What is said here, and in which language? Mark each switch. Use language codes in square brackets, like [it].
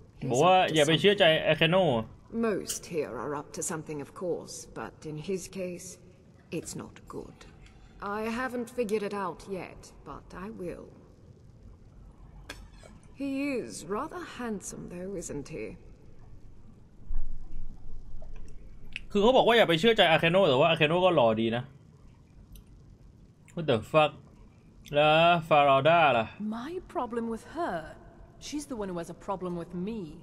[th] บอกว่าอย่าไปเชื่อใจอาร์เคโน [en] Most here are up to something of course but in his case it's not goodI haven't figured it out yet, but I will. He is rather handsome, though, isn't he? [th] คือเขาบอกว่าอย่าไปเชื่อใจอาเคโนแต่ว่าอาเคโนก็หล่อดีนะ [en] What the fuck? [th] แล้วฟาราด้าล่ะ [en] My problem with her. She's the one who has a problem with me.